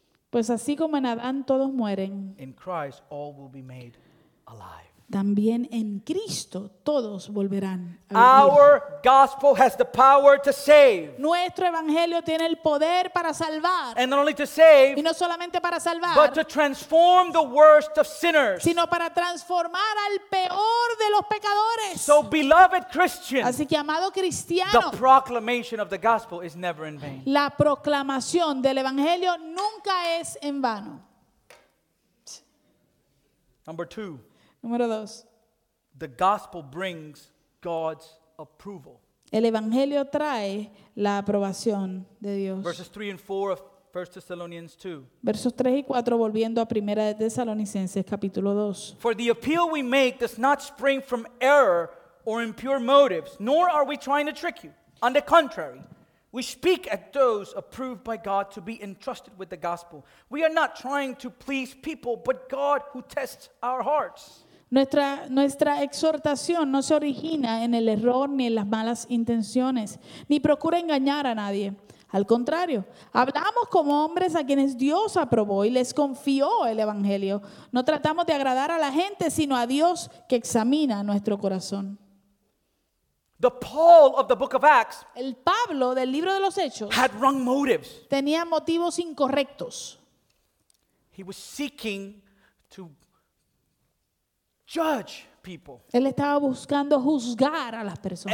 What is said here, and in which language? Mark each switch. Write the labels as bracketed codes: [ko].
[es] Pues así como en Adán todos mueren. [en] In Christ all will be made alive. [es] También en Cristo todos volverán a vivir. [en] Our gospel has the power to save. [es] Nuestro evangelio tiene el poder para salvar. [en] And not only to save, [es] y no solamente para salvar, [en] but to transform the worst of sinners. [es] Sino para transformar al peor de los pecadores. [en] So beloved Christian, [es] así que amado cristiano, [en] the proclamation of the gospel is never in vain. [es] La proclamación del evangelio nunca es en vano. [en] Number two. [es] Número dos. [en] The gospel brings God's approval. [es] El evangelio trae la aprobación de Dios. [en] Verses 3 and 4 of 1 Thessalonians 2. [es] Versos 3 y 4, volviendo a Primera de Tesalonicenses capítulo 2. [en] For the appeal we make does not spring from error or impure motives, nor are we trying to trick you. On the contrary, we speak as those approved by God to be entrusted with the gospel. We are not trying to please people, but God who tests our hearts. [es] Nuestra exhortación no se origina en el error ni en las malas intenciones, ni procura engañar a nadie. Al contrario, hablamos como hombres a quienes Dios aprobó y les confió el evangelio. No tratamos de agradar a la gente, sino a Dios que examina nuestro corazón. [en] The Paul of the book of Acts, [es] el Pablo del libro de los Hechos, [en] had wrong motives. [es] Tenía motivos incorrectos. [en] He was seeking to judge people. [es] Él estaba buscando juzgar a las personas.